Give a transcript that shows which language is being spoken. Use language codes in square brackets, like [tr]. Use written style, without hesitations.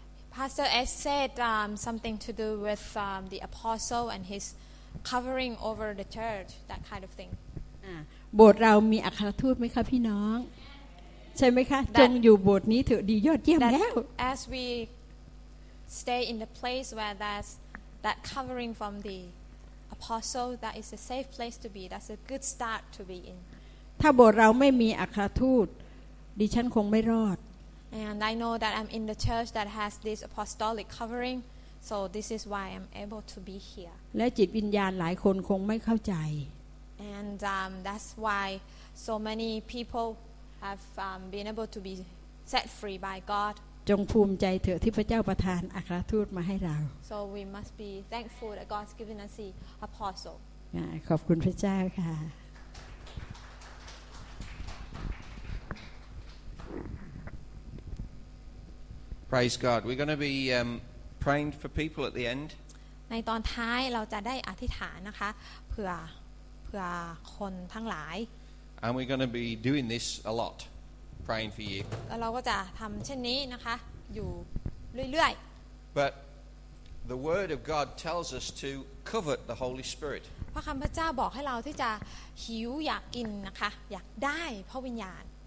[en] Pastor S said something to do with the apostle and his covering over the church that kind of thing [th] โบสถ์เรามีอัครทูตไหมคะพี่น้องใช่ไหมคะจงอยู่โบสถ์นี้เถอะดียอดเยี่ยมแล้ว [en] As we stay in the place where there's that covering from the apostle that is a safe place to be that's a good start to be in [th] ถ้าโบสถ์เราไม่มีอัครทูตดิฉันคงไม่รอด [en] And I know that I'm in the church that has this apostolic covering so this is why I'm able to be here [th] และจิตวิญญาณหลายคนคงไม่เข้าใจ [en] And that's why so many people have been able to be set free by God. [th] จงภูมิใจเถอะที่พระเจ้าประทานอัครทูตมาให้เรา [en] So we must be thankful that God's given us the apostle. [th] ขอบคุณพระเจ้าค่ะ [en] Praise God. We're going to be praying for people at the end. [th] ในตอนท้ายเราจะได้อธิษฐานนะคะเพื่อคนทั้งหลาย [en] And we're going to be doing this a lot praying for you [th] แล้วเราก็จะทําเช่นนี้นะคะอยู่เรื่อย [en] ๆ But the word of God tells us to covet the Holy Spirit [th] พระคําพระเจ้าบอกให้เราที่จะหิวอยากกินนะคะอยากได้พระวิญญาณ